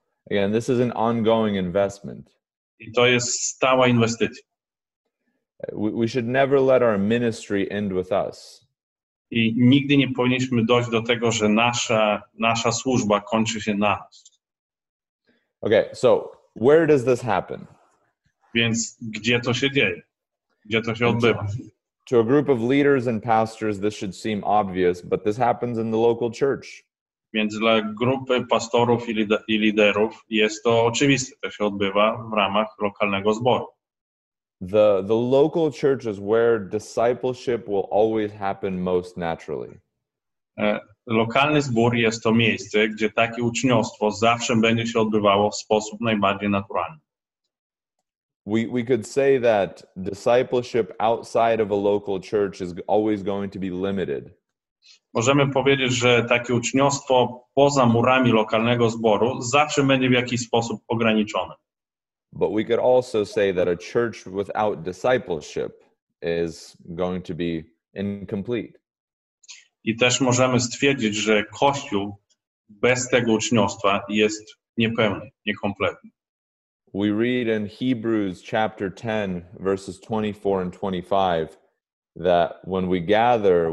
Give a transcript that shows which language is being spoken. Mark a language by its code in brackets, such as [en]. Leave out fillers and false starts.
[en] Again, this is an ongoing investment. [pl] I to jest stała inwestycja. [en] We should never let our ministry end with us. [pl] I nigdy nie powinniśmy dojść do tego, że nasza służba kończy się na nas. [en] Okay, so where does this happen? [pl] Więc gdzie to się dzieje? Gdzie to się odbywa? [en] To a group of leaders and pastors, this should seem obvious, but this happens in the local church. [pl] Więc dla grupy pastorów i liderów jest to oczywiste, to się odbywa w ramach lokalnego zboru. [en] The local church is where discipleship will always happen most naturally. [pl] Lokalny zbór jest to miejsce, gdzie takie uczniostwo zawsze będzie się odbywało w sposób najbardziej naturalny. [en] We could say that discipleship outside of a local church is always going to be limited. [pl] Możemy powiedzieć, że takie uczniostwo poza murami lokalnego zboru zawsze będzie w jakiś sposób ograniczone. [en] But we could also say that a church without discipleship is going to be incomplete. [pl] I też możemy stwierdzić, że Kościół bez tego uczniostwa jest niepełny, niekompletny. [en] We read in Hebrews chapter 10, verses 24 and 25, that when we gather...